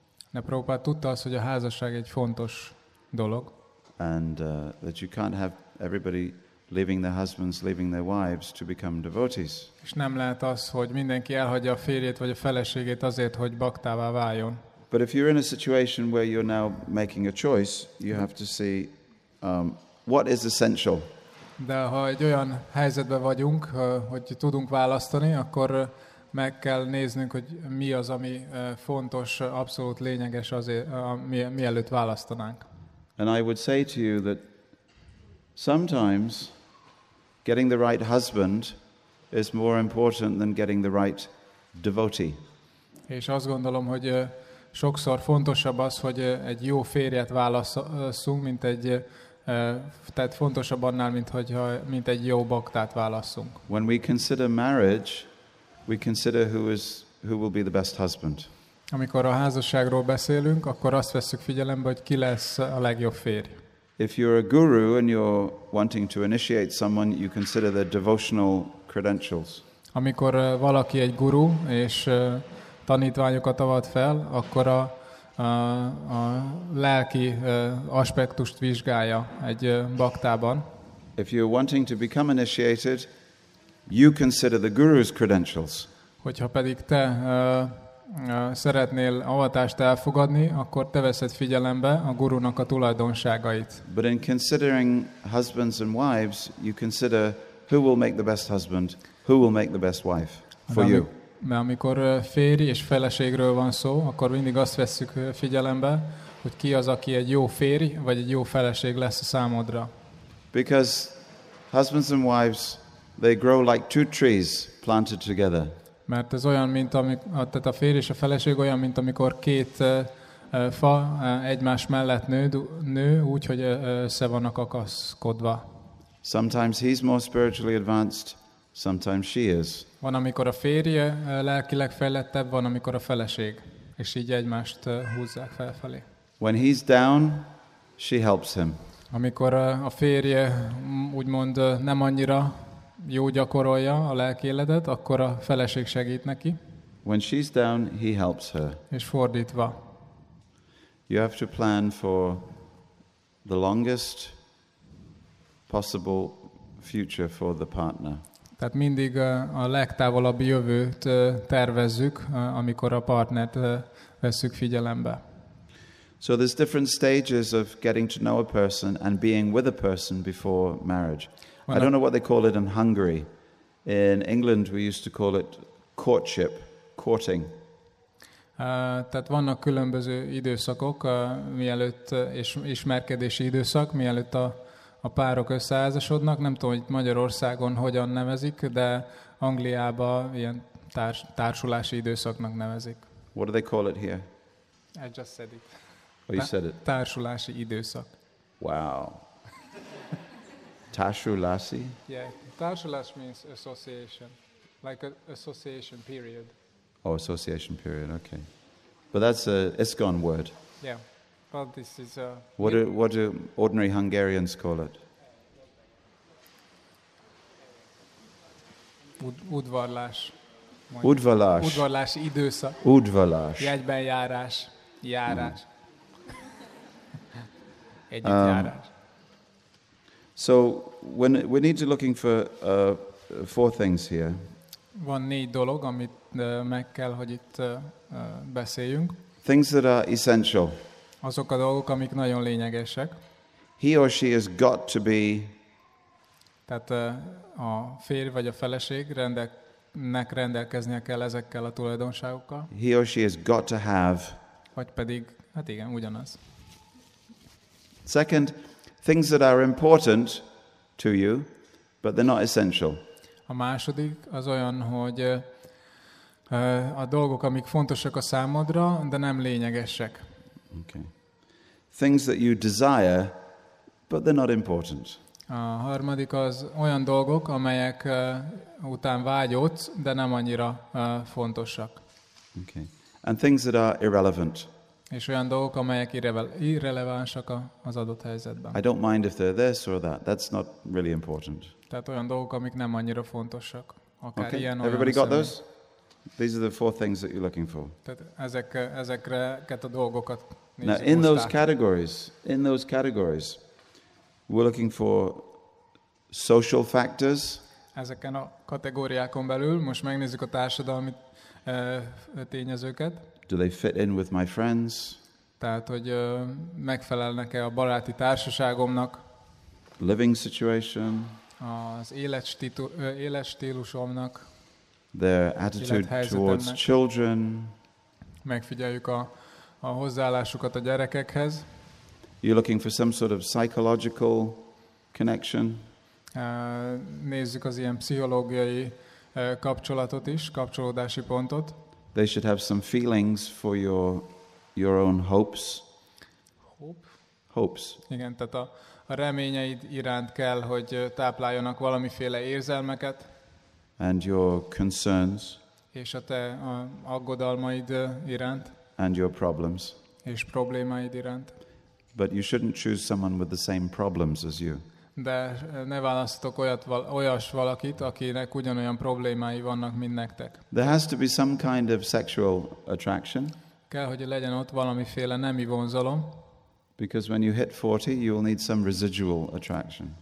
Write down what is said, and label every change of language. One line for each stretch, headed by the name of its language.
Hungarian: De Prabhupada tudta azt, hogy a házasság egy fontos dolog.
English: And that you can't have everybody leaving their husbands, leaving their wives to become devotees.
Hungarian: És nem lehet az, hogy mindenki elhagyja a férjét vagy a feleségét azért, hogy baktává váljon.
English: But if you're in a situation where you're now making a choice, you have to see what is essential.
Hungarian: De ha egy olyan helyzetben vagyunk, hogy tudunk választani, akkor meg kell néznünk, hogy mi az, ami fontos, abszolút lényeges azért, mielőtt választanánk.
English: And I would say to you that sometimes getting the right husband is more important than getting the right devotee.
Hungarian: És azt gondolom, hogy sokszor fontosabb az, hogy egy jó férjet válasszunk, mint egy tehát fontosabb annál, mint egy jó baktát válasszunk.
English: When we consider marriage, we consider who will be the best husband.
Hungarian: Amikor a házasságról beszélünk, akkor azt vesszük figyelembe, hogy ki lesz a legjobb férj.
English: If you're a guru and you're wanting to initiate someone, you consider their devotional credentials.
Hungarian: Amikor valaki egy guru és tanítványokat avat fel, akkor a lelki aspektust vizsgálja egy baktában.
English: If you're wanting to become initiated, you consider the guru's credentials.
Hungarian: Hogyha pedig te szeretnél avatást elfogadni, akkor te veszed figyelembe a gurunak a tulajdonságait.
English: But in considering husbands and wives, you consider who will make the best husband, who will make the best wife for you.
Hungarian: Mert amikor férj és feleségről van szó, akkor mindig azt vesszük figyelembe, hogy ki az, aki egy jó férj vagy egy jó feleség lesz a számodra.
English: Because husbands and wives, they grow like two trees planted together.
Hungarian: Mert ez olyan, mint amikor, tehát a férj és a feleség olyan, mint amikor két fa egymás mellett nő, úgy, hogy össze vannak akaszkodva.
English: Sometimes he's more spiritually advanced, sometimes she is.
Hungarian: Van, amikor a férje lelkileg fejlettebb, van, amikor a feleség, és így egymást húzzák felfelé.
English: When he's down, she helps him.
Hungarian: Amikor a férje úgymond nem annyira jó gyakorolja a lelki életet, akkor a feleség segít neki.
English: When she's down, he helps her.
Hungarian: És fordítva.
English: You have to plan for the longest possible future for the partner.
Hungarian: Tehát mindig a legtávolabb jövőt tervezzük, amikor a partnert vesszük figyelembe.
English: So there's different stages of getting to know a person and being with a person before marriage. I don't know what they call it in Hungary. In England we used to call it courtship, courting.
Hungarian: Tehát vannak különböző időszakok, mielőtt és ismerkedési időszak, mielőtt a párok összeházasodnak. Nem tudom, hogy Magyarországon hogyan nevezik, de Angliában ilyen társulási időszaknak nevezik.
English: What do they call it here? I just said it. Oh, you said it.
Hungarian: Társulási időszak. Wow. Társulási?
English: Yeah, társulás means association, like an association period. Oh, association period, okay. But that's an ISKCON word. Yeah, but this is a... What do ordinary Hungarians call it?
Hungarian: Udvarlás. Udvarlás. Udvarlás időszak. Udvarlás. Jegyben járás. Járás. Együttjárás.
English: So we need to looking for four things here.
Hungarian: Van négy dolog, amit meg kell, hogy itt beszéljünk.
English: Things that are essential.
Hungarian: Azok a dolgok, amik nagyon lényegesek.
English: He or she has got to be.
Hungarian: Tehát a férj vagy a feleség rendelkeznie kell ezekkel a tulajdonságokkal.
English: He or she has got to have.
Hungarian: Vagy pedig, hát igen, ugyanaz.
English: Second, things that are important to you, but they're not essential.
Hungarian: A második az olyan, hogy a dolgok, amik fontosak a számodra, de nem lényegesek.
English: Okay. Things that you desire, but they're not important.
Hungarian: A harmadik az olyan dolgok, amelyek után vágyod, de nem annyira fontosak.
English: Okay. And things that are irrelevant.
Hungarian: És olyan dolgok, amelyek irrelevánsak az adott helyzetben.
English: I don't mind if they're this or that. That's not really important.
Hungarian: Tehát olyan dolgok, amik nem annyira fontosak. Akár
English: okay.
Hungarian: Ilyen,
English: everybody got
Hungarian: személy.
English: Those? These are the four things that you're looking for.
Hungarian: Tehát ezeket a dolgokat nézzük.
English: Now, in those categories, we're looking for social factors.
Hungarian: Ezeken a kategóriákon belül, most megnézzük a társadalmi tényezőket.
English: Do they fit in with my friends?
Hungarian: Tehát, hogy megfelelnek-e a baráti társaságomnak?
English: Living situation.
Hungarian: Az életstílusomnak.
English: Their attitude towards children.
Hungarian: Megfigyeljük a hozzáállásukat a gyerekekhez.
English: You're looking for some sort of psychological connection.
Hungarian: Nézzük az ilyen pszichológiai kapcsolatot is, kapcsolódási pontot.
English: They should have some feelings for your own hopes. Hopes.
Hungarian: Igen, tehát a reményeid iránt kell, hogy tápláljanak valamiféle érzelmeket.
English: And your concerns.
Hungarian: És a te aggodalmaid iránt.
English: And your problems.
Hungarian: És problémáid iránt.
English: But you shouldn't choose someone with the same problems as you.
Hungarian: De ne választok olyas valakit, akinek ugyanolyan problémái vannak, mint nektek.
English: There has to be some kind of sexual attraction.
Hungarian: Kell, hogy legyen ott valamiféle nemi vonzalom.
English: Because when you hit 40, you will need some residual attraction.